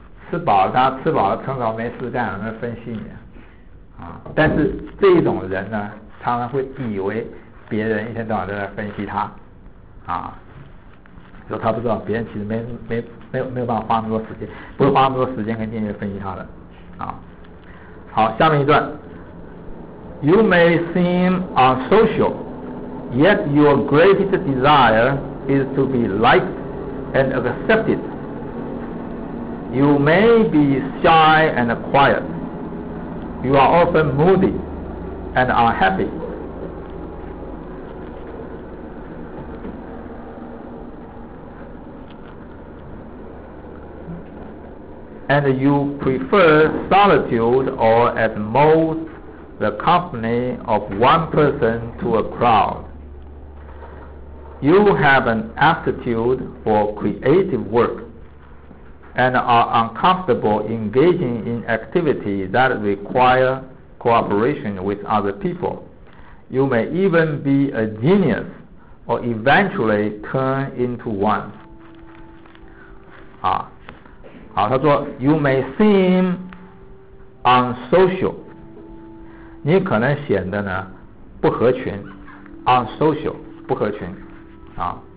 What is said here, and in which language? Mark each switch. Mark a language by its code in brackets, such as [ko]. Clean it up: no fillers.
[zh] 吃饱了他吃饱了撑着没事干了来分析你啊，但是这一种人呢，常常会以为别人一天到晚都在分析他，啊，就他不知道别人其实没有办法花那么多时间，不会花那么多时间跟精力分析他的，啊，好，下面一段 ， [en] You may seem unsocial, yet your greatest desire is to be liked and accepted. You may be shy and quiet. You are often moody and unhappy. And you prefer solitude or at most the company of one person to a crowd. You have an aptitude for creative work. And are uncomfortable engaging in activity that require cooperation with other people. You may even be a genius or eventually turn into one. [zh] 啊，好，他说 [en] ，You may seem unsocial. [zh] 你可能显得呢不合群 ，unsocial 不合群，啊。